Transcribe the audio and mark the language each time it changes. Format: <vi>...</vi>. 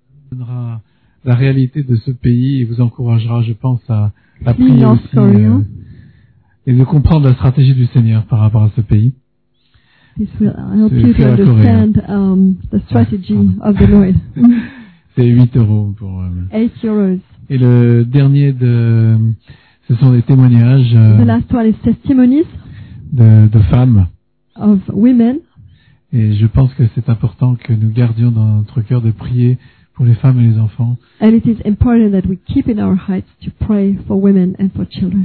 <fr>Donnera la réalité de ce pays et vous encouragera, je pense, à prier aussi et de comprendre la stratégie du Seigneur par rapport à ce pays.</fr> <en>This will help you to understand the strategy of the Lord.</en> <fr>C'est 8 euros pour.</fr> <en>8 euros.</en> <fr>Et le dernier de, ce sont des témoignages.</fr> <en>The last one is testimonies.</en> <fr>De femmes.</fr> <en>Of women.</en> <fr>Et je pense que c'est important que nous gardions dans notre cœur de prier pour les femmes et les enfants.</fr> <en>And it is important that we keep in our hearts to pray for women and for children.</en>